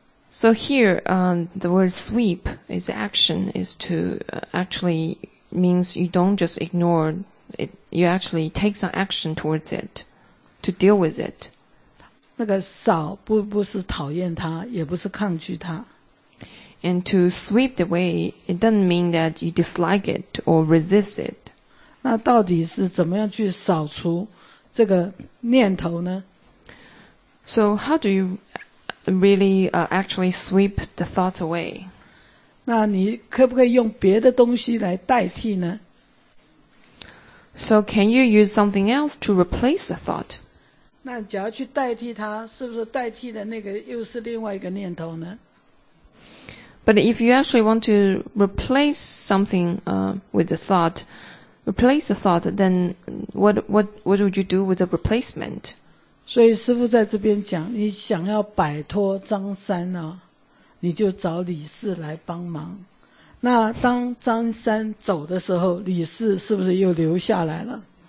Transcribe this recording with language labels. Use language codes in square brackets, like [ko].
[en] So here, the word sweep is action, is to actually means you don't just ignore it, you actually take some action towards it, to deal with it. [zh] 那个扫不是讨厌它，也不是抗拒它。 [en] And to sweep the way, it doesn't mean that you dislike it or resist it. [zh] 那到底是怎么样去扫除这个念头呢？ [en] So how do you... really actually sweep the thought away. [zh] 那你可不可以用别的东西来代替呢？ [en] So can you use something else to replace the thought? [zh] 那假如去代替它，是不是代替的那个又是另外一个念头呢？ [en] But if you actually want to replace something with the thought, replace the thought, then what would you do with the replacement? [zh] 所以师父在这边讲，你想要摆脱张三呢，你就找李四来帮忙。那当张三走的时候，李四是不是又留下来了？